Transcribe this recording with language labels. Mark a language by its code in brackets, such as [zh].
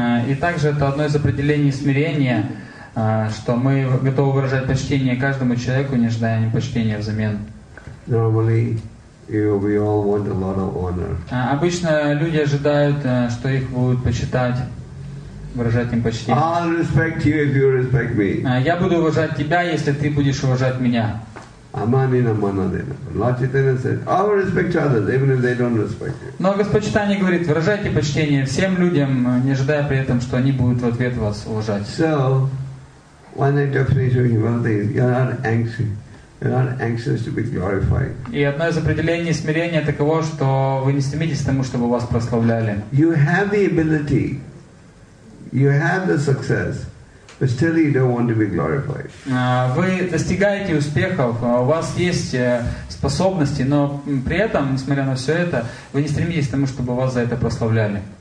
[ru] И также это одно из определений смирения, что мы готовы выражать почтение каждому человеку, не ожидая ни почтения взамен. [en] Normally, we all want a lot of honor. [ru] Обычно люди ожидают, что их будут почитать, выражать им почтение. [en] I'll respect you if you respect me. [ru] Я буду уважать тебя, если ты будешь уважать меня. [sa] Аманина манадина. [en] Lord Chaitanya said, I'll respect others, even if they don't respect you. [ru] Но Господь Чайтанья говорит, выражайте почтение всем людям, не ожидая при этом, что они будут в ответ вас уважать. [en] So, one definition of humility is you're not anxious. You're not anxious to be glorified. [ru] И одно из определений смирения таково, что вы не стремитесь к тому, чтобы вас прославляли. [en] You have the ability, you have the success, but still you don't want to be glorified. [ru] Вы достигаете успехов, у вас есть способности, но при этом, несмотря на все это, вы не стремитесь к тому, чтобы вас за это прославляли.